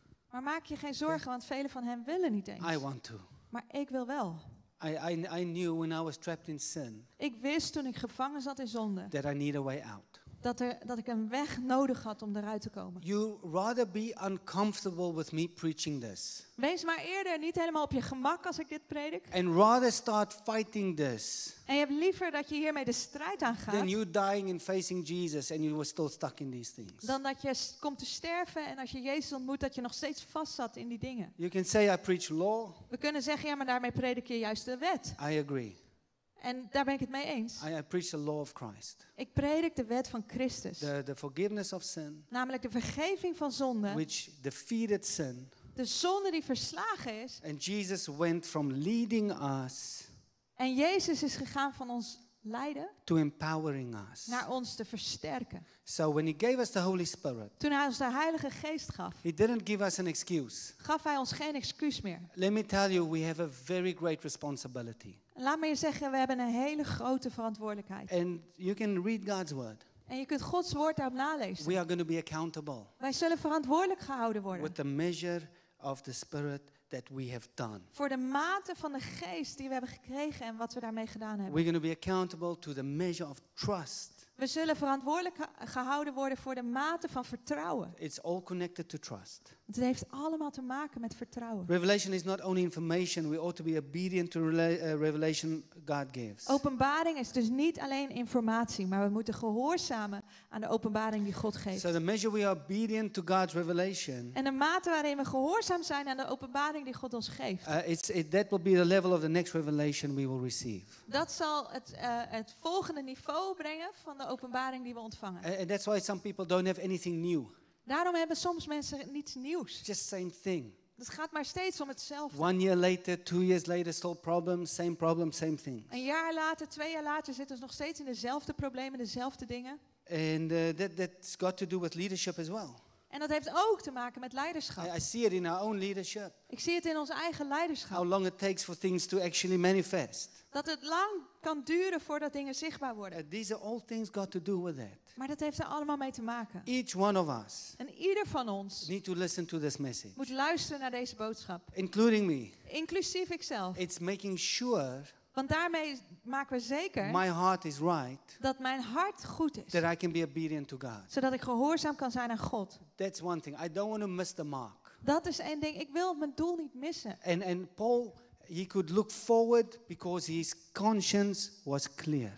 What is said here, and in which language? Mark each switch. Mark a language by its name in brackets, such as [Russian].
[Dutch] Maar maak je geen zorgen, want velen van hen willen niet eens. [English] I want to. [Dutch] Maar ik wil wel. [English] I knew when I was trapped in sin. [Dutch] Ik wist toen ik gevangen zat in zonde. [English] That I need a way out. [Dutch] Dat ik een weg nodig had om eruit te komen. [English] You rather be uncomfortable with me preaching this. [Dutch] Wees maar eerder niet helemaal op je gemak als ik dit predik. [English] And rather start fighting this. [Dutch] En je hebt liever dat je hiermee de strijd aangaat. [English] Than you dying and facing Jesus and you were still stuck in these things. [Dutch] Dan dat je komt te sterven en als je Jezus ontmoet dat je nog steeds vast zat in die dingen. [English] You can say I preach law. [Dutch] We kunnen zeggen ja, maar daarmee predik je juist de wet. [English] I agree. [Dutch] En daar ben ik het mee eens. [English] I preach the law of Christ. [Dutch] Ik predik de wet van Christus. [English] The forgiveness of sin. [Dutch] Namelijk de vergeving van zonde. [English] Which defeated sin. [Dutch] De zonde die verslagen is. [English] And Jesus went from leading us. [Dutch] En Jezus is gegaan van ons leiden. [English] To empowering us. [Dutch] Naar ons te versterken. [English] So when he gave us the Holy Spirit. [Dutch] Toen hij ons de Heilige Geest gaf. [English] He didn't give us an excuse. [Dutch] Gaf hij ons geen excuus meer. [English] Let me tell you, we have a very great responsibility. [Dutch] Laat me je zeggen, we hebben een hele grote verantwoordelijkheid. [English] And you can read God's word. [Dutch] En je kunt Gods woord daarop nalezen. [English] We are going to be accountable. [Dutch] Wij zullen verantwoordelijk gehouden worden. [English] With the measure of the spirit that we have done. [Dutch] Voor de mate van de geest die we hebben gekregen en wat we daarmee gedaan hebben. [English] We're going to be accountable to the measure of trust. [Dutch] We zullen verantwoordelijk gehouden worden voor de mate van vertrouwen. [English] It's all connected to trust. [Dutch] Het heeft allemaal te maken met vertrouwen. [English] Revelation is not only information. We ought to be obedient to revelation God gives. [Dutch] Openbaring is dus niet alleen informatie, maar we moeten gehoorzamen aan de openbaring die God geeft. [English] So the measure we are obedient to God's revelation. [Dutch] En de mate waarin we gehoorzaam zijn aan de openbaring die God ons geeft. [English] That will be the level of the next revelation we will receive. [Dutch] Dat zal het volgende niveau brengen van de openbaring die we ontvangen. [English] And that's why some people don't have anything new. [Dutch] Daarom hebben soms mensen niets nieuws. [English] Just same thing. [Dutch] Het gaat maar steeds om hetzelfde. [English] 1 year later, 2 years later, still problem, same thing. [Dutch] Een jaar later, 2 jaar later zitten ze nog steeds in dezelfde problemen, dezelfde dingen. [English] And that's got to do with leadership as well. [Dutch] En dat heeft ook te maken met leiderschap. [English] I see it in our own leadership. [Dutch] Ik zie het in ons eigen leiderschap. [English] How long it takes for things to actually manifest. [Dutch] Dat het lang kan duren voordat dingen zichtbaar worden. [English] These are all things got to do with that. [Dutch] Maar dat heeft er allemaal mee te maken. [English] Each one of us. [Dutch] En ieder van ons. [English] Need to listen to this message. [Dutch] Moet luisteren naar deze boodschap. [English] Including me. [Dutch] Inclusief ikzelf. [English] It's making sure. [Dutch] Want daarmee maken we zeker. [English] My heart is right. [Dutch] Dat mijn hart goed is. [English] That I can be obedient to God. [Dutch] Zodat ik gehoorzaam kan zijn aan God. [English] That's one thing. I don't want to miss the mark. [Dutch] Dat is één ding. Ik wil mijn doel niet missen. [English] And Paul. He could look forward because his conscience was clear.